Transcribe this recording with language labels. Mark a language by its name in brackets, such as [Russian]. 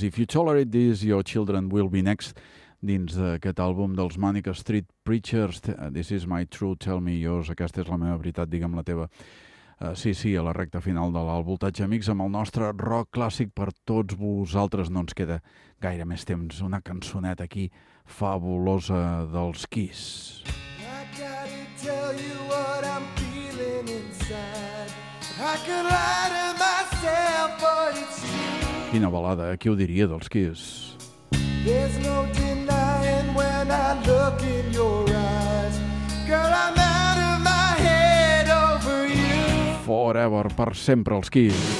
[English] If you tolerate this, your children will be next. [Catalan] Dins d'aquest àlbum dels [English] Manic Street Preachers, This is my truth, tell me yours, [Catalan] aquesta és la meva veritat, digue'm la teva. Sí, a la recta final de l'Al Voltatge, amics, amb el nostre rock clàssic per tots vosaltres. No ens queda gaire més temps. Una cançoneta aquí fabulosa dels Kiss. [English] I gotta tell you what I'm feeling inside. I could lie to myself, but it's you. [Catalan] Quina balada, eh? Qui ho diria, dels Kiss? [English] There's no denying when I look in your eyes. Girl, I'm out of my head over you. Forever, [Catalan] per sempre, els Kiss.